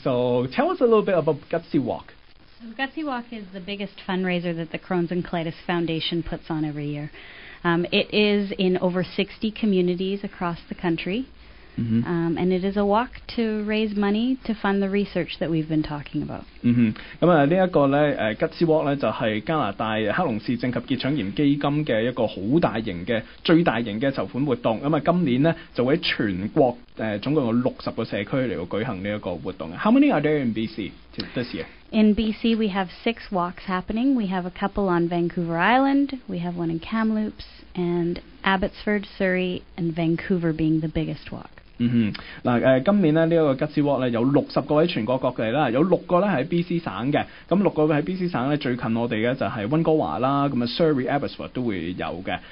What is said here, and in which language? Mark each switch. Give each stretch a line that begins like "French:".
English: So tell us a little bit about Gutsy Walk. So Gutsy Walk is the biggest fundraiser that the Crohn's and Colitis Foundation puts on every year. It is in over 60 communities across the country. Mm-hmm. And it is a walk to raise money to fund the research that we've been talking about.
Cantonese: 嗯哼，咁啊呢一個咧，Gutsy Walk 咧就係、是、加拿大黑龍市政及結腸炎基金嘅一個好大型嘅最大型嘅籌款活動。咁啊今年咧就喺全國總共有60個社區嚟到舉行呢一個活動。
English: How many are there in BC this year? In BC, we have 6 walks happening. We have a couple on Vancouver Island. We have one in Kamloops and Abbotsford, Surrey, and Vancouver being the biggest walk.
Cantonese: 嗯哼，嗱今年咧呢一、這個 Gutsy Walk 咧有60個喺全國各地啦，有6個咧喺 BC 省嘅，咁6個喺 BC 省咧最近我哋嘅就係温哥華啦，咁啊 Surrey、Abbotsford 都會有嘅。